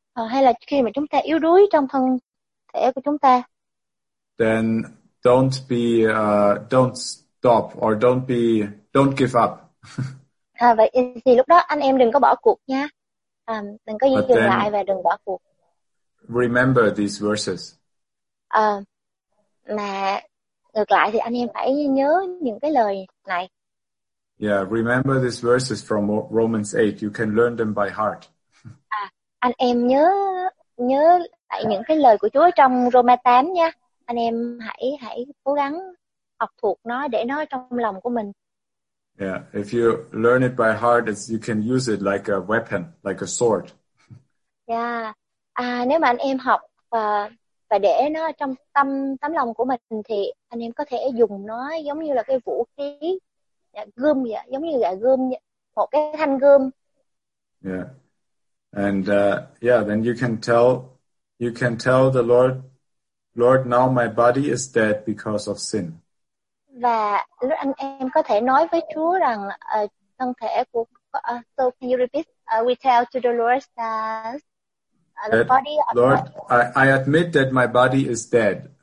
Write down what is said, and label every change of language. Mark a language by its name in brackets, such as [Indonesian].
[Vietnamese] Hay là khi mà chúng ta yếu đuối trong thân thể của chúng ta. [English] Then don't be don't stop or don't give up. [Vietnamese] Vậy thì lúc đó anh em đừng có bỏ cuộc nha. Đừng có dừng lại và đừng bỏ cuộc. [English] Remember these verses. [Vietnamese] Mà ngược lại thì anh em phải nhớ những cái lời này. [English] Yeah, remember these verses from Romans 8. You can learn them by heart. [Vietnamese] Anh em nhớ lại những cái lời của Chúa trong Roma 8 nha. Anh em hãy cố gắng học thuộc nó để nó trong lòng của mình. [English] Yeah, if you learn it by heart, you can use it like a weapon, like a sword. [Vietnamese] Yeah, nếu mà anh em học và để nó trong tấm lòng của mình thì anh em có thể dùng nó giống như là cái vũ khí gươm vậy, giống như là gươm, một cái thanh gươm. [English] Yeah, and then you can tell the Lord, Lord, now my body is dead because of sin. [Vietnamese] Và lúc anh em có thể nói với Chúa rằng thân thể của [English] so can you repeat we tell to the Lord that the body of Lord I admit that my body is dead.